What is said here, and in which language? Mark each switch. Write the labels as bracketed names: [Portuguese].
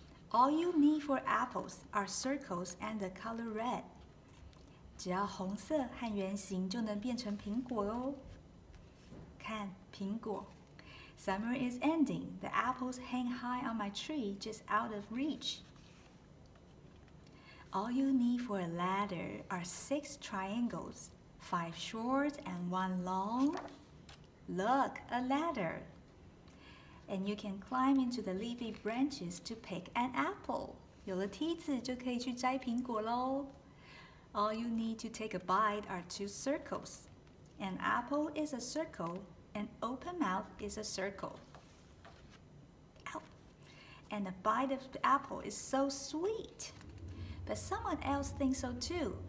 [English] All you need for apples are circles and the color red. [Chinese] 只要红色和圆形就能变成苹果哦。看，苹果。 [English] Summer is ending. The apples hang high on my tree, just out of reach. All you need for a ladder are six triangles, five short and one long. Look, a ladder. And you can climb into the leafy branches to pick an apple. [Chinese] 有了梯子就可以去摘苹果咯。 [English] All you need to take a bite are two circles. An apple is a circle. An open mouth is a circle. Ow! And a bite of the apple is so sweet. But someone else thinks so too.